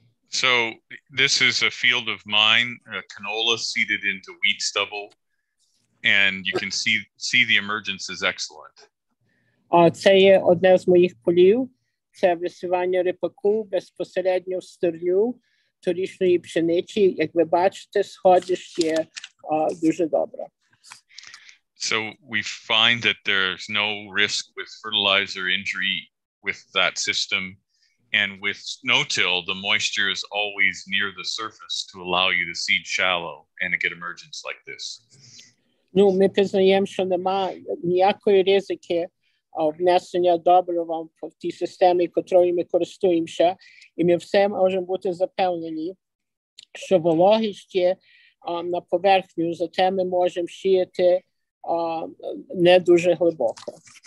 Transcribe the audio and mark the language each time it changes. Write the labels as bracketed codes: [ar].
[en] So this is a field of mine, a canola seeded into wheat stubble, and you can see the emergence is excellent. [uk] Це є одне з моїх полів. Це висування рипаку безпосередньо в стерню торішньої пшениці. Як ви бачите, сходиш є дуже добре. [en] So we find that there's no risk with fertilizer injury with that system. And with no-till, the moisture is always near the surface to allow you to seed shallow and to get emergence like this. [uk] Ну, ми признаємо, що немає ніякої ризики внесення добрива в тій системі, котрою ми користуємося. І ми все можемо бути запевнені, що вологість є на поверхню, зате ми можемо сіяти не дуже глибоко.